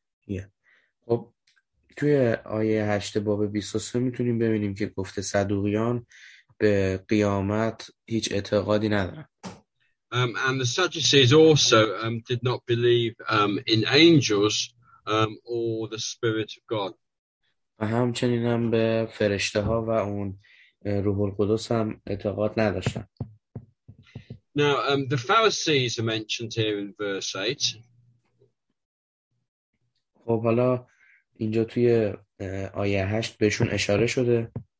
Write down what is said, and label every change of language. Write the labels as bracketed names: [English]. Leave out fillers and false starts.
[English] Yeah. [Persian] خب توی آیه 8 باب 23 میتونیم ببینیم که گفته صدوقیان به قیامت هیچ اعتقادی ندارن. [English] And the Sadducees also did not believe in angels or the spirit of God. [Persian] و همچنین هم به فرشته ها و اون روح القدس هم اعتقاد نداشتن. [English] Now the Pharisees are mentioned here in verse 8. [Persian] خب حالا اینجا توی آیه 8 بهشون اشاره شده.